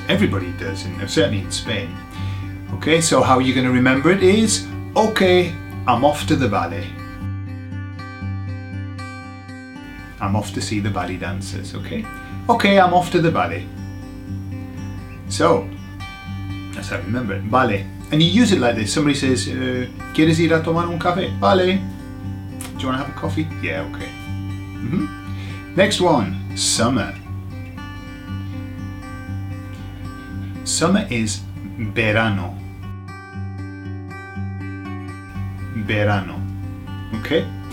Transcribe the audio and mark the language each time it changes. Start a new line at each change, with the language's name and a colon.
English: Everybody does, certainly in Spain. Okay, so how you're going to remember it is okay, I'm off to the vale. I'm off to see the ballet dancers, okay? Okay, I'm off to the ballet. So, that's how I remember it, ballet. And you use it like this. Somebody says,
Spanish: ¿Quieres ir a tomar un café? Vale.
English: Do you want to have a coffee? Yeah, okay. Mm-hmm. Next one, summer. Summer is verano.
Spanish: Verano, okay?